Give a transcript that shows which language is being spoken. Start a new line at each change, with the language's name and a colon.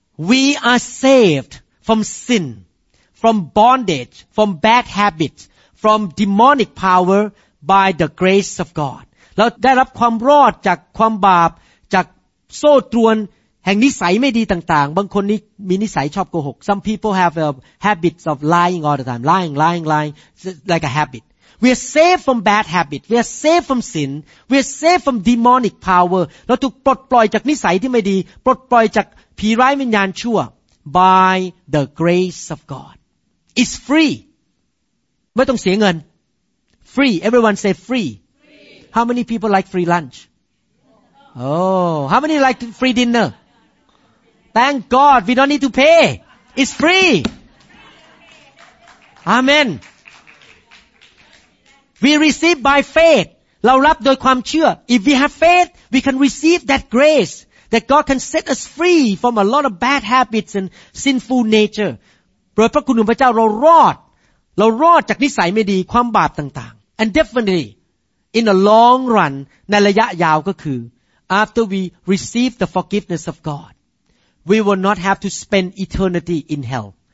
English: We are saved from sin from bondage from bad habits from demonic power by the grace of God
Thai: เราได้รับความรอดจากความบาปจากโซ่ตรวนแห่งนิสัยไม่ดีต่างๆบางคนนี่มีนิสัยชอบโกหก
English: Some people have a habits of lying all the time lying like a habitWe are saved from bad habits. We are saved from sin. We are saved from demonic power.
Thai: เราถูกปลดปล่อยจากนิสัยที่ไม่ดีปลดปล่อยจากผีร้ายวิญญาณชั่ว
English: by the grace of God. It's free.
Thai: ไม่ต้องเสียเงิน Free.
English: Everyone say free. Free. How many people like free lunch? Oh, how many like free dinner? Thank God. We don't need to pay. It's free. Amen. We receive by faith.
Thai: เรารับโดยความเชื่อ
English: If we have faith, we can receive that grace that God can set us free from a lot of bad habits and sinful nature.
Thai: โดยพระคุณของพระเจ้าเรารอดจากนิสัยไม่ดีความบาปต่างๆ
English: And definitely, in a long run,
Thai: ในระยะยาวก็คือ
English: after we receive the forgiveness of God, we will not have to spend eternity in hell.